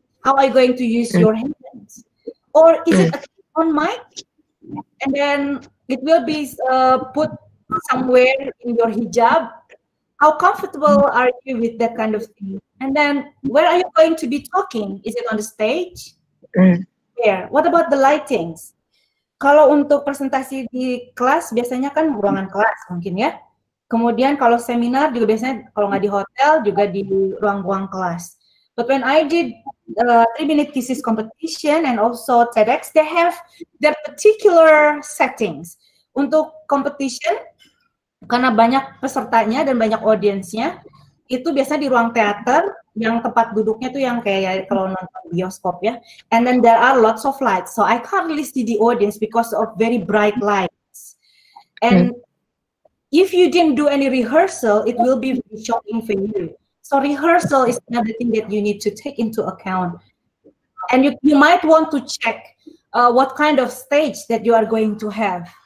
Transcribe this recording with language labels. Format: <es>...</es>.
<en>How are you going to use your hands? Or is it a on mic? And then it will be put somewhere in your hijab. How comfortable are you with that kind of thing? And then where are you going to be talking? Is it on the stage? Where? What about the lightings?</en> <id>Kalau untuk presentasi di kelas, biasanya kan ruangan kelas mungkin ya. Kemudian kalau seminar juga biasanya, kalau nggak di hotel, juga di ruang-ruang kelas.</id> <en>But when I did 3-minute thesis competition and also TEDx, they have their particular settings.</en> <id>Untuk competition, karena banyak pesertanya dan banyak audiensnya, itu biasanya di ruang teater, yang tempat duduknya tuh yang kayak ya, kalau nonton bioskop ya.</id> <en>And then there are lots of lights. So I can't really see the audience because of very bright lights. And if you didn't do any rehearsal, it will be really shocking for you. So rehearsal is another thing that you need to take into account. And you might want to check what kind of stage that you are going to have.</en>